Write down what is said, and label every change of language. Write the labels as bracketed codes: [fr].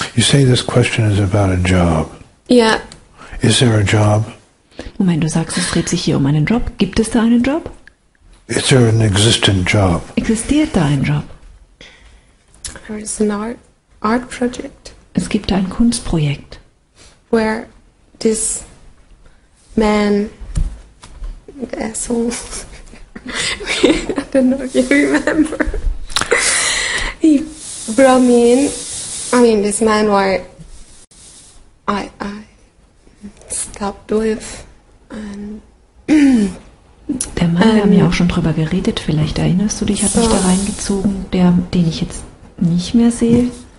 [en] You say this question is about a job. Yeah. Is there a job? [de] Moment, du sagst, es dreht sich hier um einen Job. Gibt es da einen Job? [en] Is there an existent job? [de] Existiert da ein Job? [en] There is an art project. [de] Es gibt da ein Kunstprojekt. [en] Where this man, the asshole, I don't know if you remember. He brought me in. I mean, this man where I stopped with. And [de] der Mann, wir haben ja auch schon drüber geredet, vielleicht erinnerst du dich, hat mich da reingezogen, der, den ich jetzt nicht mehr sehe.